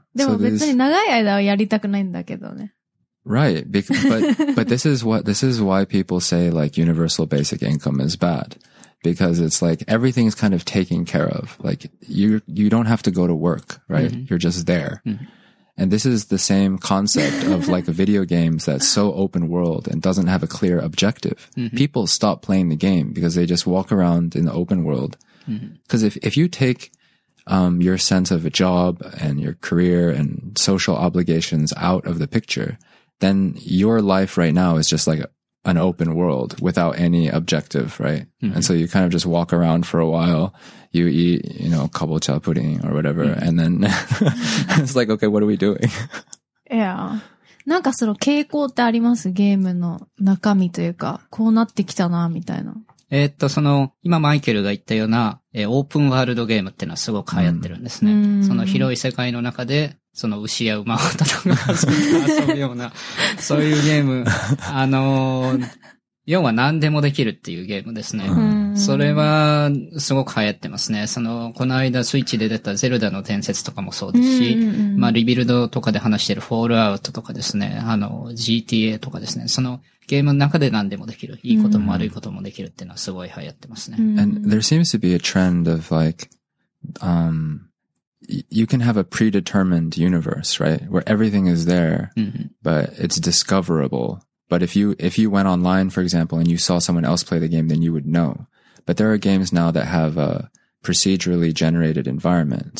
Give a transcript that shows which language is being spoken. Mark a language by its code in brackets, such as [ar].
[ja] でも別に長い間はやりたくないんだけどね。 [en] Right. But this is why people say like universal basic income is bad. Because it's like everything is kind of taken care of. Like you don't have to go to work, right? Mm-hmm. You're just there. Mm-hmm. And this is the same concept of like video games that's so open world and doesn't have a clear objective. Mm-hmm. People stop playing the game because they just walk around in the open world. Because mm-hmm. if you take your sense of a job and your career and social obligations out of the picture, then your life right now is just like an open world without any objective, right? Mm-hmm. And so you kind of just walk around for a while. You eat, you know, kabocha pudding or whatever. Mm-hmm. And then it's like, okay, what are we doing? Yeah. [ja] なんかその傾向ってあります?ゲームの中身というか、こうなってきたな、みたいな。その、今マイケルが言ったような、オープンワールドゲームっていうのはすごく流行ってるんですね。 Mm-hmm. その広い世界の中で、その牛や馬を戦うような、そういうゲーム。要は何でもできるっていうゲームですね。それはすごく流行ってますね。その、この間スイッチで出たゼルダの伝説とかもそうですし、まあリビルドとかで話してるフォールアウトとかですね、GTA とかですね、そのゲームの中で何でもできる。いいことも悪いこともできるっていうのはすごい流行ってますね。 [en] And there seems to be a trend of like, you can have a predetermined universe, right? Where everything is there, but it's discoverable. But if you went online, for example, and you saw someone else play the game, then you would know. But there are games now that have a procedurally generated environment.